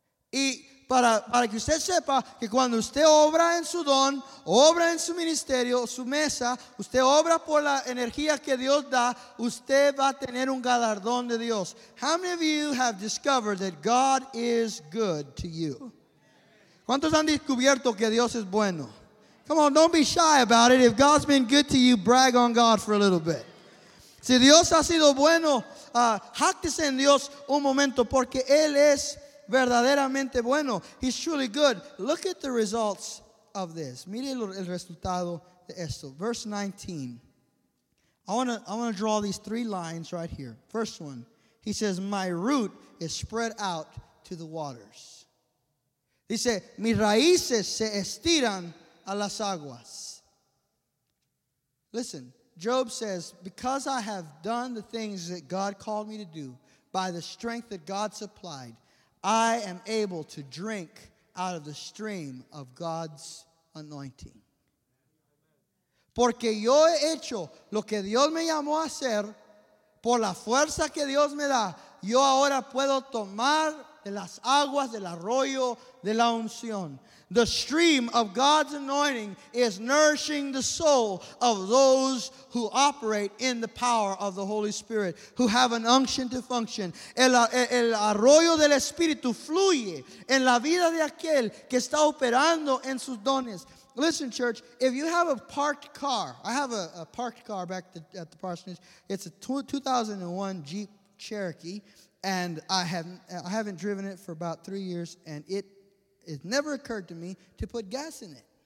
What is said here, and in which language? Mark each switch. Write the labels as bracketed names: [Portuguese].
[Spanish] Y para que usted sepa que cuando usted obra en su don, obra en su ministerio, su mesa, usted obra por la energía que Dios da, usted va a tener un galardón de Dios. [English] How many of you have discovered that God is good to you? [Spanish] ¿Cuántos han descubierto que Dios es bueno? [English] Come on, don't be shy about it. If God's been good to you, brag on God for a little bit. [Spanish] Si Dios ha sido bueno, háctese en Dios un momento porque Él es verdaderamente bueno. [English] He's truly good. Look at the results of this. [Spanish] Mire el resultado de esto. [English] Verse 19. I want to draw these three lines right here. First one, he says, my root is spread out to the waters. [Spanish] Dice, mis raíces se estiran a las aguas. [English] Listen. Job says, because I have done the things that God called me to do, by the strength that God supplied, I am able to drink out of the stream of God's anointing. [Spanish] Porque yo he hecho lo que Dios me llamó a hacer, por la fuerza que Dios me da, yo ahora puedo tomar de las aguas del arroyo de la unción. [English] The stream of God's anointing is nourishing the soul of those who operate in the power of the Holy Spirit, who have an unction to function. [Spanish] El arroyo del Espíritu fluye en la vida de aquel que está operando en sus dones. [English] Listen, church, if you have a parked car, I have a parked car back at the parsonage. It's a 2001 Jeep Cherokee, and I haven't driven it for about 3 years, and it never occurred to me to put gas in it.